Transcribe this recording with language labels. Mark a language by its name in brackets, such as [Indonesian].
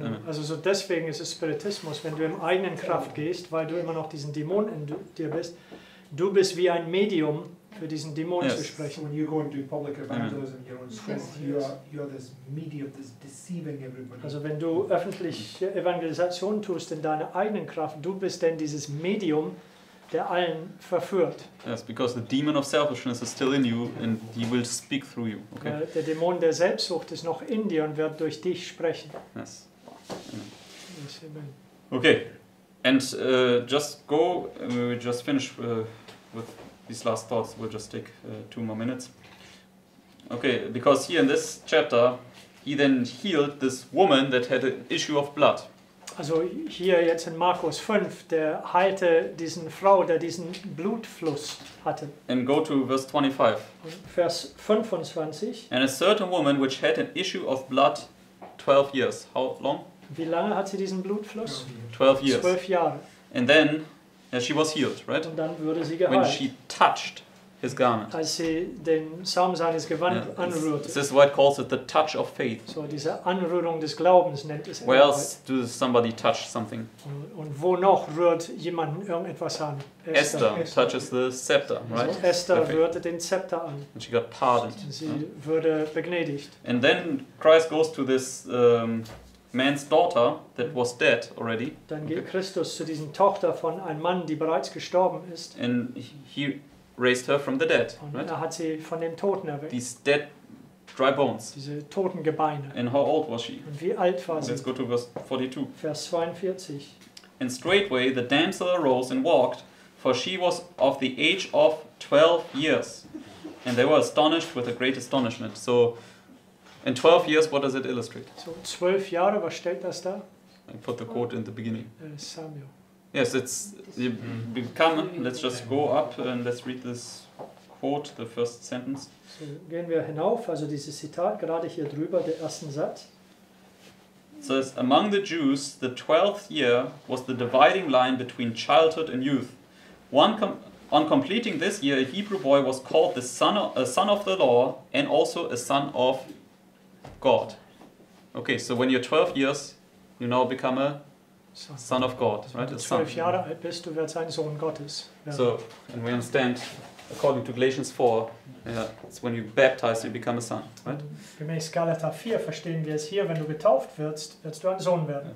[German] Also so deswegen ist es Spiritismus, wenn du im eigenen Kraft gehst, weil du immer noch diesen Dämon in dir bist. Du bist wie ein Medium für diesen Dämon [English] yes. [German] zu sprechen. [English] When you go and do public evangelism, you're on school, you're this medium that's deceiving everybody. [German] Also wenn du öffentliche Evangelisation tust in deiner eigenen Kraft, du bist denn dieses Medium, der allen verführt. [English] Yes, because the demon of selfishness is still in you and he will speak through you. Okay. [German] Der Dämon der Selbstsucht ist noch in dir und wird durch dich sprechen. [English] Yes. Amen. Okay. And just go, we will just finish with these last thoughts. We'll just take two more minutes. Okay, because here in this chapter, he then healed this woman that had an issue of blood. [German] Also hier jetzt in Markus 5, der heilte diesen Frau, der diesen Blutfluss hatte. [English] And go to verse 25. [German] Vers 25. [English] And a certain woman which had an issue of blood 12 years. How long? [German] Wie lange hat sie diesen Blutfluss? [English] 12 years. [German] 12 Jahre. [English] And then she was healed, right? [German] Und dann wurde sie geheilt. [English] When she touched his garment. [German] Als sie den Saum seines Gewandes anrührte. [English] This is why it calls it the touch of faith. [German] So diese Anrührung des Glaubens nennt es. [English] Where else does somebody touch something? [German] Und wo noch rührt jemand irgendetwas an? [English] Esther touches the scepter, right? [German] So Esther rührte den Zepter an. [English] And she got pardoned. [German] Und sie wurde begnadigt. [English] And then Christ goes to this man's daughter that was dead already. [German] Dann geht Christus zu diesen Tochter von einem Mann, die bereits gestorben ist. [English] And he raised her from the dead. [German] Und er hat sie von den Toten erweckt. [English] These dead, dry bones. [German] Diese toten Gebeine. [English] And how old was she? [German] Und wie alt war sie? [English] Let's go to verse 42. [German] Vers 42. [English] And straightway the damsel arose and walked, for she was of the age of 12 years. And they were astonished with a great astonishment. So, in 12 years, what does it illustrate? [German] So, 12 Jahre, was stellt das da? [English] I put the quote in the beginning. Samuel. Yes, it's come. Let's just go up and let's read this quote, the first sentence. [German] So gehen wir hinauf, also dieses Zitat gerade hier drüber, der ersten Satz. [English] It says, among the Jews, the 12th year was the dividing line between childhood and youth. On completing this year, a Hebrew boy was called the son of the law and also a son of God. Okay, so when you're 12 years, you now become a son of God, right? [German] Wenn du 12 Jahre alt bist, du wirst ein Sohn Gottes. [English] Yeah. So, and we understand, according to Galatians 4, it's when you baptize, you become a son, right? [German] Gemäß Galater 4 verstehen wir es hier, wenn du getauft wirst, wirst du ein Sohn werden.